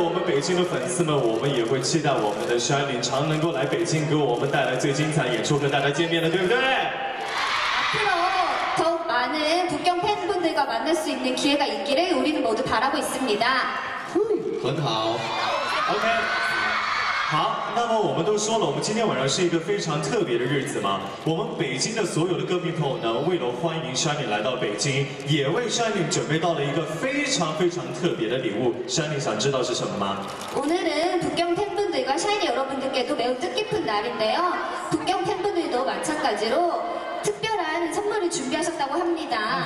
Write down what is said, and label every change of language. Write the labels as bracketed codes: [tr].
[zh] 希望更有更多的机会与北京的粉丝们一起见面。是，当然呢，我们所有我们北京的粉丝们，我们也会期待我们的 Shining 常能够来北京，给我们带来最精彩演出，跟大家见面的，对不对？ [ko] 앞으로 더 많은 북경 팬분들과 만날 수 있는 기회가 있기를 우리는 모두 바라고 있습니다. [zh] 很好 [en] OK. [zh] 好，那么我们都说了，我们今天晚上是一个非常特别的日子嘛。我们北京的所有的歌迷朋友呢，为了欢迎 Shining 来到北京，也为 Shining 准备到了一个非常非常特别的礼物。Shining 想知道是什么吗？ [ko] 오늘은 북경 팬분들과 샤이니 여러분들께도 매우 뜻깊은 날인데요. 북경 팬분들도 마찬가지로 특별한 선물을 준비하셨다고 합니다.